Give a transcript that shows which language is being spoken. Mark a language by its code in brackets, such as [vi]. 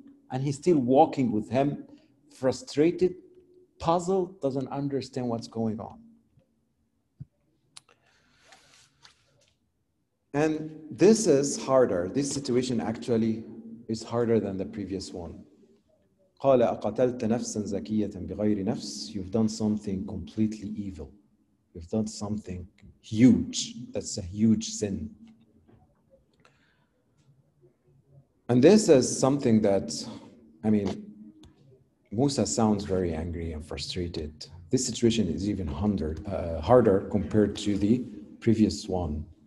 [en] And he's still walking with him, frustrated, puzzled, doesn't understand what's going on. And this is harder. This situation actually is harder than the previous one. [ar] قَالَ أَقَتَلْتَ نَفْسًا زَكِيَّةً بِغَيْرِ نَفْسٍ [en] You've done something completely evil. You've done something huge. That's a huge sin. And this is something that, I mean, Musa sounds very angry and frustrated. This situation is even harder compared to the previous one.